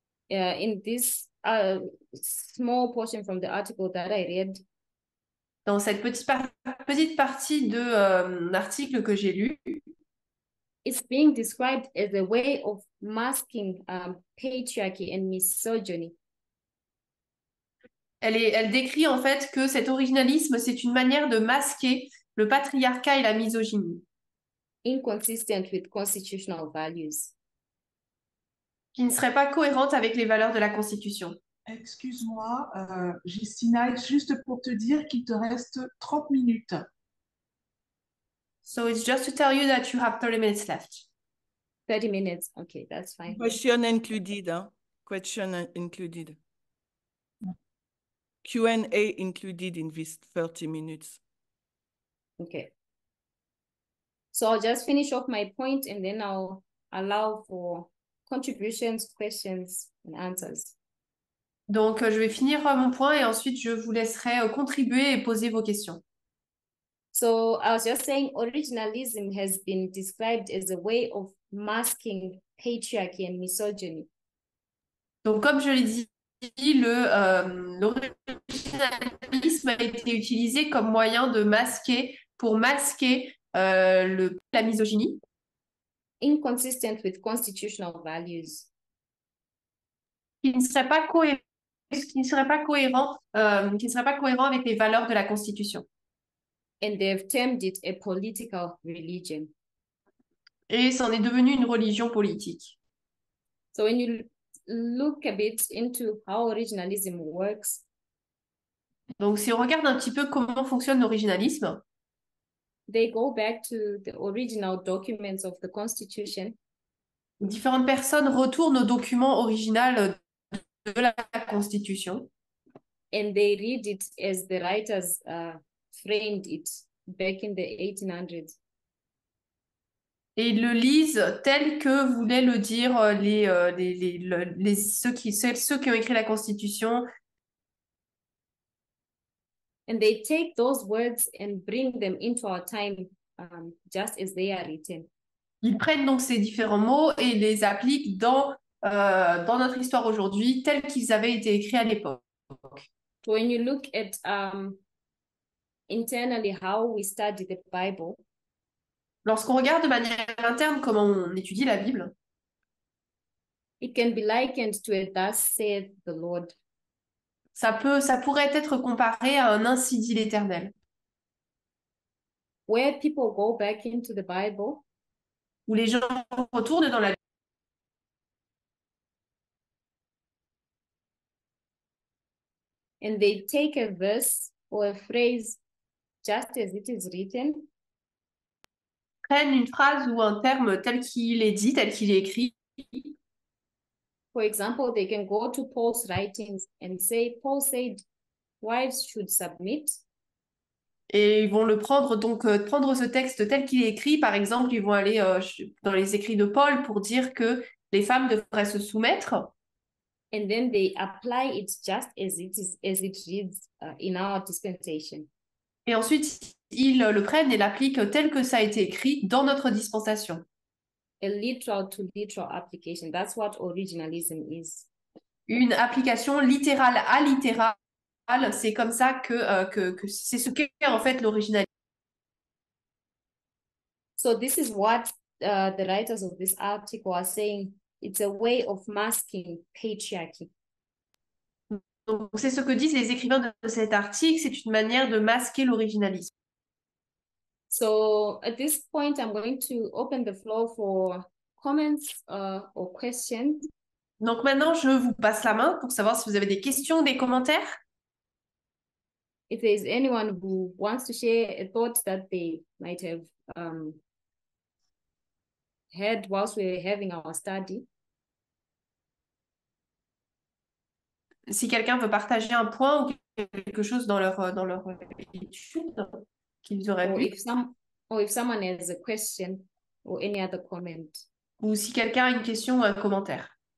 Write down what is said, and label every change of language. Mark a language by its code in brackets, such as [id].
[en] In this small portion from the article that I read. [fr] Dans cette petite partie de l'article que j'ai lu. [en] It's being described as a way of masking patriarchy and misogyny. [fr] Elle décrit en fait que cet originalisme, c'est une manière de masquer le patriarcat et la misogynie. [en] Inconsistent with constitutional values. [fr] Qui ne serait pas cohérente avec les valeurs de la Constitution. Excuse-moi, Justina, juste pour te dire qu'il te reste 30 minutes. [en] So it's just to tell you that you have 30 minutes left. 30 minutes, okay, that's fine. Question included, hein? Question included. Q&A included in these 30 minutes. Okay. So I'll just finish off my point and then I'll allow for contributions, questions and answers. [fr] Donc, je vais finir mon point et ensuite je vous laisserai contribuer et poser vos questions. [en] So I was just saying originalism has been described as a way of masking patriarchy and misogyny. [fr] Donc, comme je l'ai dit, l'originalisme a été utilisé comme moyen de masquer, pour masquer la misogynie. [en] Inconsistent with constitutional values. [fr] Qui ne serait pas cohérent avec les valeurs de la Constitution. [en] And they've termed it a political religion. [fr] Et c'en est devenu une religion politique. [en] So when you look a bit into how originalism works. [fr] Donc, si on regarde un petit peu comment fonctionne l'originalisme, [en] they go back to the original documents of the Constitution. [fr] Différentes personnes retournent aux documents originaux de la Constitution. [en] And they read it as the writers framed it back in the 1800s. [fr] Et ils le lisent tel que voulaient le dire les ceux qui ont écrit la Constitution. [en] And they take those words and bring them into our time, just as they are written. [fr] Ils prennent donc ces différents mots et les appliquent dans notre histoire aujourd'hui, tels qu'ils avaient été écrits à l'époque. [en] When you look at internally how we study the Bible, [fr] Lorsqu'on regarde de manière interne comment on étudie la Bible, [en] it can be likened to a thus saith the Lord. [fr] ça pourrait être comparé à un ainsi dit l'Éternel. [en] Where people go back into the Bible, [fr] Où les gens retournent dans la Bible. [en] and they take a verse or a phrase just as it is written, [fr] Prennent une phrase ou un terme tel qu'il est dit, tel qu'il est écrit. [en] for example, they can go to Paul's writings and say, Paul said, wives should submit. [fr] Et ils vont le prendre, prendre ce texte tel qu'il est écrit. Par exemple, ils vont aller dans les écrits de Paul pour dire que les femmes devraient se soumettre. [en] And then they apply it just as it is, as it reads in our dispensation. [fr] Et ensuite, ils le prennent et l'appliquent tel que ça a été écrit dans notre dispensation. [en] A literal to literal application. That's what originalism is. [fr] Une application littérale à littérale. C'est comme ça que c'est ce qu'est en fait l'originalité. [en] So this is what the writers of this article are saying. It's a way of masking patriarchy. [fr] Donc c'est ce que disent les écrivains de cet article, c'est une manière de masquer l'originalisme. [en] So at this point, I'm going to open the floor for comments or questions. [fr] Donc maintenant, je vous passe la main pour savoir si vous avez des questions, des commentaires. [en] If there's anyone who wants to share a thought that they might have had whilst we were having our study. [fr] Si quelqu'un veut partager un point ou quelque chose dans leur étude qu'ils auraient [en] Or [fr] vu, [en] if someone has a question or any other comment. [fr] ou si quelqu'un a une question ou un commentaire.